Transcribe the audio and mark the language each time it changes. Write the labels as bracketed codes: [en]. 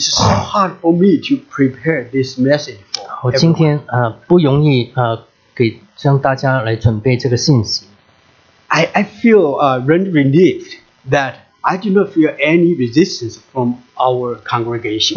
[en] It's so hard for me to prepare this message for everyone. [zh] 我今天不容易给让大家来准备这个信息。 [en] I feel really relieved that I do not feel any resistance from our congregation.